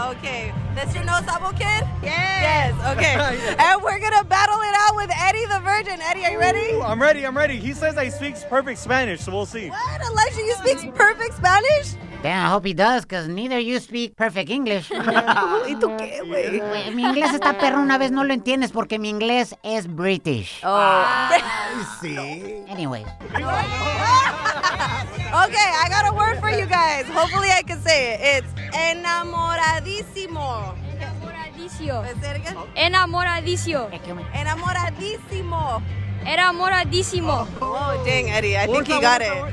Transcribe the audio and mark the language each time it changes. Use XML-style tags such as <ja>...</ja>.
<en>Okay. That's your No Sabo kid? Yes. Yes, okay. And we're going to battle it out with Eddie the Virgin. Eddie, are you ready? Ooh, I'm ready. He says he speaks perfect Spanish, so we'll see. What? Elijah, you speak perfect Spanish? Damn, I hope he does, because neither you speak perfect English.</en> <es>¿Y tú qué, güey? Mi inglés está perro, una vez no lo entiendes, porque mi inglés es British. Sí.</es> <en>Anyway. Okay, I got a word for you guys. Hopefully I can say it. It's enamoradísimo.</en> <es>Enamoradísimo. Enamoradísimo. Enamoradísimo.</es> <en>Oh, dang, Eddie. I think he got it.</en>